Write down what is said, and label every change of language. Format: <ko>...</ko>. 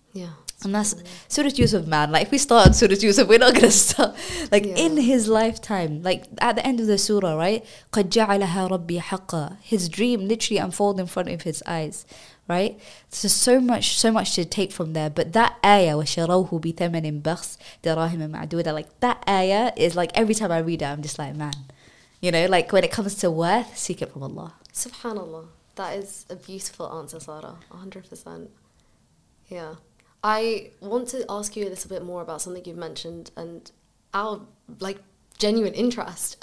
<en>Yeah. And that's Surah Yusuf, man. Like, if we start on Surah Yusuf, we're not going to stop. Like, in his lifetime, like, at the end of the surah, right?</en> <ar>قَدْ جَعَلَهَا رَبِّي حَقًّا.</ar> <en>His dream literally unfolded in front of his eyes, right? So, so much to take from there. But that ayah,</en> <ar>وَشَرَوْهُ بِثَمَنٍ بَخْسْ دَرَاهِمَ مَعْدُودَ.</ar> <en>Like, that ayah is, like, every time I read it, I'm just like, man. You know, like, when it comes to worth, seek it from Allah. SubhanAllah. That is a beautiful answer, Sarah. 100%. Yeah. I want to ask you a little bit more about something you've mentioned and our, like, genuine interest.</en>